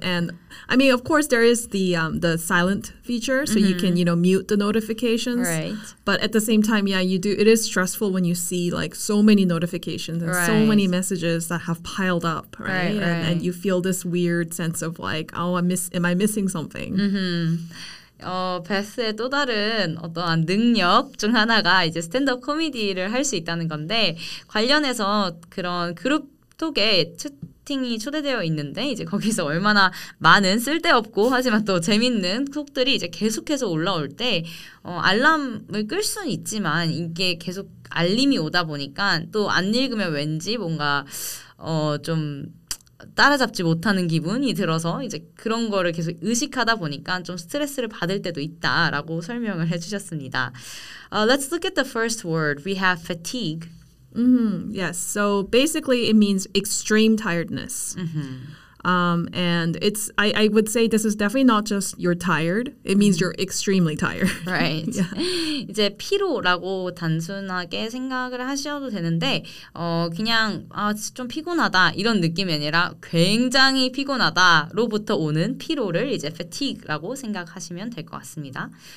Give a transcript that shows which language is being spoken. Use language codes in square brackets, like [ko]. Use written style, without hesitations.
[en] And I mean, of course, there is the silent feature, so you can, you know, mute the notifications. Right. But at the same time, yeah, you do. It is stressful when you see like so many notifications and so many messages that have piled up, right? And you feel this weird sense of like, oh, am I missing something? Mm-hmm. [ko] 베스의 또 다른 어떠한 능력 중 하나가 이제 스탠드업 코미디를 할 수 있다는 건데 관련해서 그런 그룹톡에 채팅이 초대되어 있는데 이제 거기서 얼마나 많은 쓸데없고 하지만 또 재밌는 톡들이 이제 계속해서 올라올 때 알람을 끌 수는 있지만 이게 계속 알림이 오다 보니까 또 안 읽으면 왠지 뭔가 좀 따라잡지 못하는 기분이 들어서 이제 그런 거를 계속 의식하다 보니까 좀 스트레스를 받을 때도 있다라고 설명을 해주셨습니다. [en] Let's look at the first word. We have fatigue. Mm-hmm. Yes. So basically it means extreme tiredness. Mm-hmm. And it's, I would say this is definitely not just you're tired. It means you're extremely tired. Right. Yeah. [ko] 이제 피로라고 단순하게 생각을 하셔도 되는데 그냥 좀 피곤하다 이런 느낌이 아니라 굉장히 피곤하다로부터 오는 피로를 이제 fatigue라고 생각하시면 될 것 같습니다.